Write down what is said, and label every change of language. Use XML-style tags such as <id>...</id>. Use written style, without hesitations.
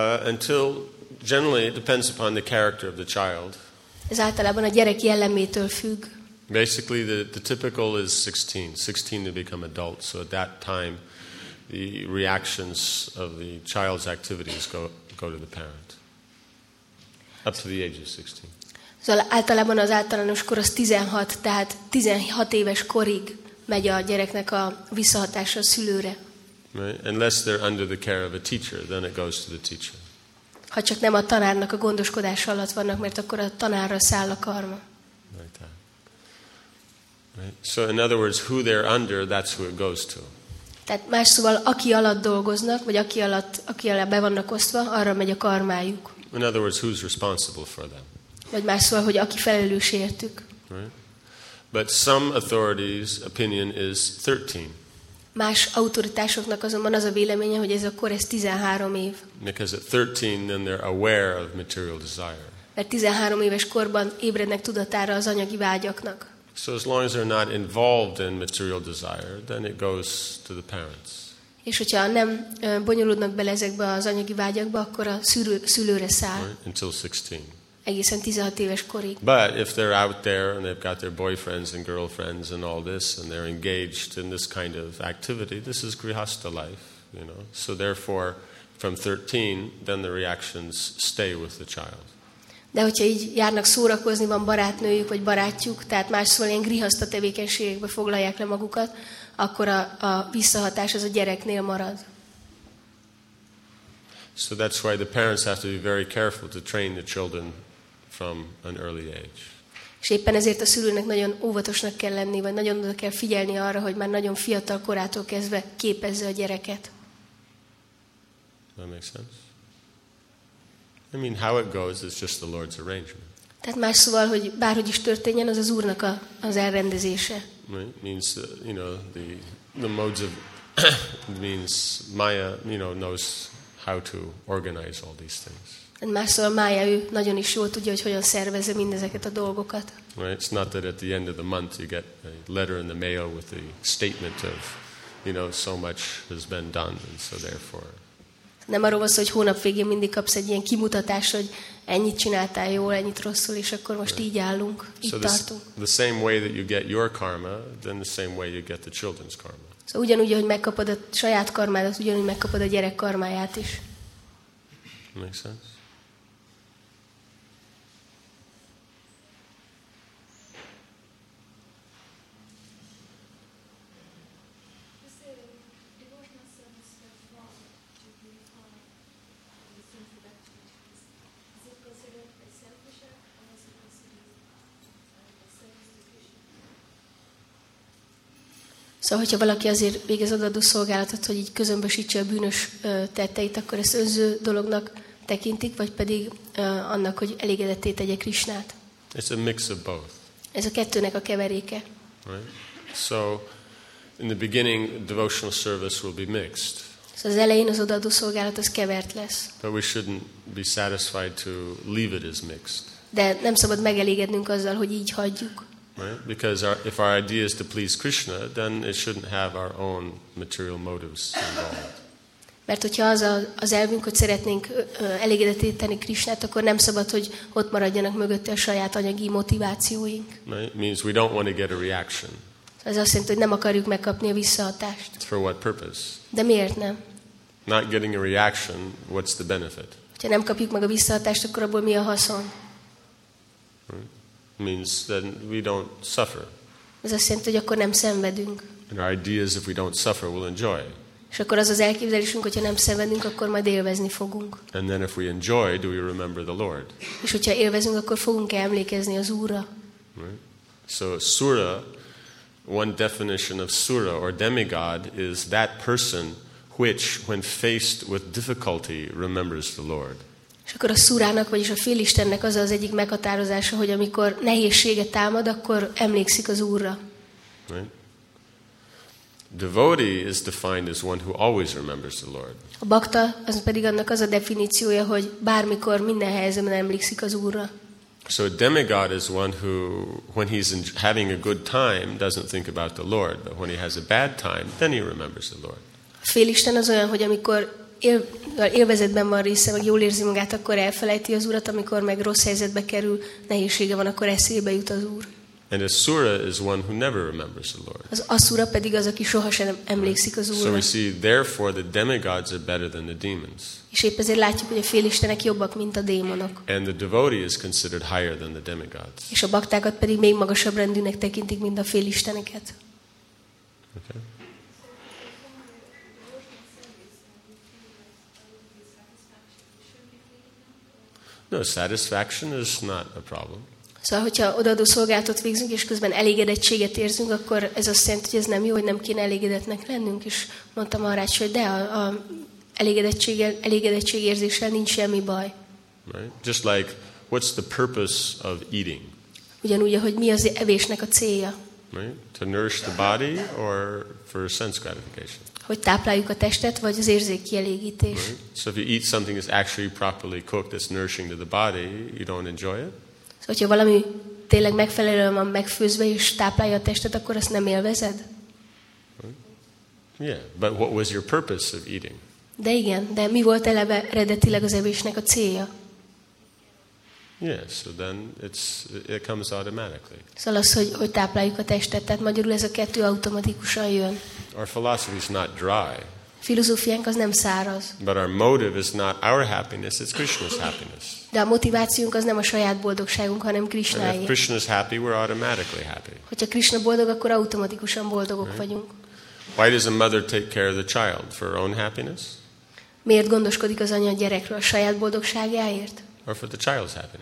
<en>Until generally it depends upon the character of the child.</en> <hu>Ez általában a gyerek jellemétől függ.</hu> <en>Basically, the typical is 16. 16 to become adult. So at that time, the reactions of the child's activities go to the parent. Up to the age of 16.</en> <hu>Szóval általában az általános kor az 16, tehát 16 éves korig megy a gyereknek a visszahatása a szülőre.</hu> <en>Right? Unless they're under the care of a teacher, then it goes to the teacher.</en> <hu>Ha csak nem a tanárnak a gondoskodása alatt vannak, mert akkor a tanárra száll a karma.</hu> <en>Right. Right. So in other words, who they're under, that's who it goes to.</en> <hu>Tehát más szóval, aki alatt dolgoznak, vagy aki alá be vannak osztva, arra megy a karmájuk.</hu> <en>In other words, who's responsible for them.</en> <hu>Vagy más szóval, hogy aki felelős értük.</hu> <en>Right. But some authorities' opinion is 13.</en> <hu>Más autoritásoknak azonban az a véleménye, hogy ez a kor, ez 13 év.</hu> <en>Because at 13, then they're aware of material desire.</en> <hu>Mert 13 éves korban ébrednek tudatára az anyagi vágyaknak.</hu> <en>So as long as they're not involved in material desire, then it goes to the parents.</en> <hu>És hogyha nem bonyolódnak bele ezekbe az anyagi vágyakba, akkor a szülőre száll.</hu> <en>Right? Until 16.</en> <hu>Egészen 16 éves korig.</hu> <en>But if they're out there and they've got their boyfriends and girlfriends and all this and they're engaged in this kind of activity, this is grihastha life, you know. So therefore from 13, then the reactions stay with the child.</en> <hu>De hogyha így járnak szórakozni, van barátnőjük vagy barátjuk, tehát másszor ilyen grihaszta tevékenységekbe foglalják le magukat, akkor a visszahatás az a gyereknél marad.</hu> <en>So that's why the parents have to be very careful to train the children from an early age.</en> <hu>És éppen ezért a szülőnek nagyon óvatosnak kell lenni, vagy nagyon oda kell figyelni arra, hogy már nagyon fiatal korától kezdve képezze a gyereket.</hu> <en>That makes sense. I mean, how it goes is just the Lord's arrangement.</en> <hu>Tehát más szóval, hogy bárhogy is történjen, az az Úrnak a, az elrendezése.</hu> <en>It means, you know, the modes of means Maya, you know, knows how to organize all these things.</en> <hu>Más szóval Maya, ő nagyon is jól tudja, hogy hogyan szervezze mindezeket a dolgokat.</hu> <en>Right, it's not that at the end of the month you get a letter in the mail with the statement of, you know, so much has been done, and so therefore.</en> <hu>Nem arról van szó, hogy hónap végén mindig kapsz egy ilyen kimutatást, hogy ennyit csináltál jól, ennyit rosszul, és akkor most</hu> <en>right.</en> <hu>Így állunk,</hu> <en>so</en> <hu>itt tartunk.</hu> <en>The same way that you get your karma, then the same way you get the children's karma.</en> <hu>Szóval ugyanúgy, hogy megkapod a saját karmádat, ugyanúgy megkapod a gyerek karmáját is.</hu> <en>Makes sense?</en> <hu>Szóval, hogyha valaki azért végez odaadó szolgálatot, hogy így közömbösítse a bűnös tetteit, akkor ezt önző dolognak tekintik, vagy pedig annak, hogy elégedetté tegye Krisnát.</hu> <en>It's a mix of both.</en> <hu>Ez a kettőnek a keveréke.</hu> <en>Right. So, in the beginning, devotional service will be mixed.</en> <hu>Szóval az elején az odaadó szolgálat az kevert lesz.</hu> <en>But we shouldn't be satisfied to leave it as mixed.</en> <hu>De nem szabad megelégednünk azzal, hogy így hagyjuk.</hu> <en>Right? Because our, if our idea is to please Krishna, then it shouldn't have our own material motives involved.</en> <hu>Mert hogyha az a, az elvünk, hogy szeretnénk elégedetté tenni Krisnát, akkor nem szabad, hogy ott maradjanak mögötte a saját anyagi motivációink.</hu> <en>Right? Means we don't want to get a reaction.</en> <hu>Ez azt jelenti, hogy nem akarjuk megkapni a visszahatást.</hu> <en>For what purpose?</en> <hu>De miért nem?</hu> <en>Not getting a reaction, what's the benefit?</en> <hu>Ha nem kapjuk meg a visszahatást, akkor abból mi a haszon?</hu> <en>Right? Means that we don't suffer.</en> <hu>Ez azt jelenti, hogy akkor nem szenvedünk.</hu> <en>And our ideas, if we don't suffer, we'll enjoy.</en> <hu>És akkor az az elképzelésünk, hogyha nem szenvedünk, akkor majd élvezni fogunk.</hu> <en>And then if we enjoy, do we remember the Lord?</en> <hu>És hogyha élvezünk, akkor fogunk emlékezni az Úrra.</hu> <en>Right. So Sura, one definition of Sura or demigod is that person which, when faced with difficulty, remembers the Lord.</en> <hu>És akkor a szúrának, vagyis a félistennek az az egyik meghatározása, hogy amikor nehézsége támad, akkor emlékszik az Úrra.</hu> <en>Right. Devotee is defined as one who always remembers the Lord.</en> <hu>A bakta az pedig annak az a definíciója, hogy bármikor minden helyzetben emlékszik az Úrra.</hu> <en>So a demigod is one who, when he's having a good time, doesn't think about the Lord, but when he has a bad time, then he remembers the Lord.</en> <hu>A félisten az olyan, hogy amikor élvezetben van része, meg jól érzi magát, akkor elfelejti az Urat, amikor meg rossz helyzetbe kerül, nehézsége van, akkor eszébe jut az Úr.</hu> <en>And Asura is one who never remembers the Lord.</en> <hu>Az Asura pedig az, aki sohasem emlékszik az Úrra.</hu> <en>So we see, therefore, the demigods are better than the demons.</en> <hu>És épp ezért látjuk, hogy a félistenek jobbak, mint a démonok.</hu> <en>And the devotee is considered higher than the demigods.</en> <hu>És a baktákat pedig még magasabb rendűnek tekintik, mint a félisteneket.</hu> <en>Okay. No, satisfaction is not a problem.</en> <hu>Szóval, hogyha odaadó szolgálatot végzünk, és közben elégedettséget érzünk, akkor ez azt jelenti, hogy ez nem jó, hogy nem kéne elégedetnek lennünk. És mondtam arra, hogy de a elégedettség érzéssel nincs semmi baj.</hu> <en>Right? Just like, what's the purpose of eating?</en> <hu>Ugyanúgy, ahogy mi az evésnek a célja?</hu> <en>Right? To nourish the body or for sense gratification?</en> <hu>Hogy tápláljuk a testet, vagy az érzékkielégítés.</hu> <en>Right. So if you eat something that's actually properly cooked, that's nourishing to the body, you don't enjoy it?</en> <hu>Szóval, hogyha valami tényleg megfelelően van megfőzve, és táplálja a testet, akkor azt nem élvezed?</hu> <en>Right. Yeah, but what was your purpose of eating?</en> <hu>De igen, de mi volt eleve eredetileg az evésnek a célja?</hu> <en>Yeah, so then it comes automatically.</en> <hu>Szóval az, hogy tápláljuk a testet, tehát magyarul ez a kettő automatikusan jön.</hu> <en>Our philosophy is not dry.</en> <hu>filozófiánk az nem száraz.</hu> <en>But our motive is not our happiness, it's Krishna's happiness.</en> <hu>De a motivációnk az nem a saját boldogságunk, hanem Krishnáé.</hu> <en>If Krishna's happy, we're automatically happy.</en> <hu>Hogyha Krishna boldog, akkor automatikusan boldogok</hu> <en>right?</en> <hu>vagyunk.</hu> <en>Why does a mother take care of the child for her own happiness?</en> <hu>Miért gondoskodik az anya a gyerekről, a saját boldogságáért?</hu> <en>Or for the child's happiness.</en>